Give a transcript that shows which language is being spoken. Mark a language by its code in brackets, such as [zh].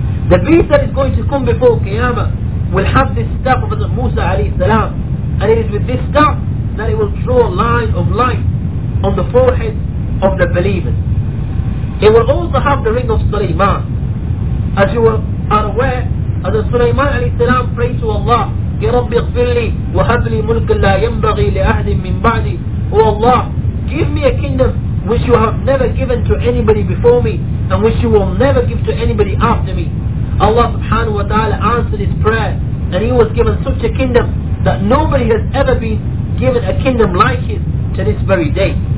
[en] The beast that is going to come before Qiyamah will have this staff of Hazrat Musa alayhi salam, and it is with this staff that it will draw a line of light on the forehead of the believers. It will also have the ring of Sulaiman. As you are aware, Hazrat Sulaiman alayhi salam prayed to Allah, [ar] يا ربي اغفر لي وهب لي ملكا لا ينبغي لأحد من بعدي. [en] Oh Allah, give me a kingdom which you have never given to anybody before me and which you will never give to anybody after me. Allah subhanahu wa ta'ala answered his prayer, and he was given such a kingdom that nobody has ever been given a kingdom like his to this very day.